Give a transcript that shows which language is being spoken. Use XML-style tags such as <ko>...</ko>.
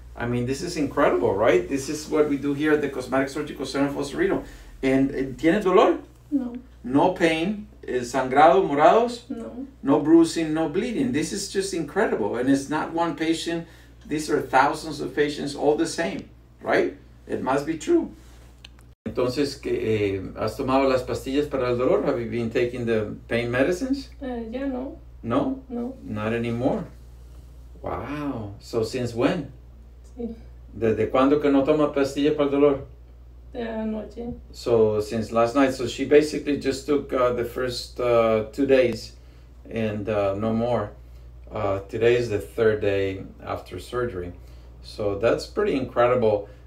<en>I mean, this is incredible, right? This is what we do here at the Cosmetic Surgical Center for Cerrito.</en> <es>And ¿tienes dolor? No.</es> <en>No pain.</en> <es>Sangrado, morados? No.</es> <en>No bruising, no bleeding. This is just incredible. And it's not one patient. These are thousands of patients all the same, right? It must be true.</en> <es>Entonces, ¿has tomado las pastillas para el dolor?</es> <en>Have you been taking the pain medicines? Yeah, no. No? No. Not anymore. Wow. So, since when?</en> <es>Sí. ¿Desde cuándo que no toma pastillas para el dolor? Anoche.</es> <en>So since last night, so she basically just took the first 2 days and no more. Today is the third day after surgery. So that's pretty incredible.</en>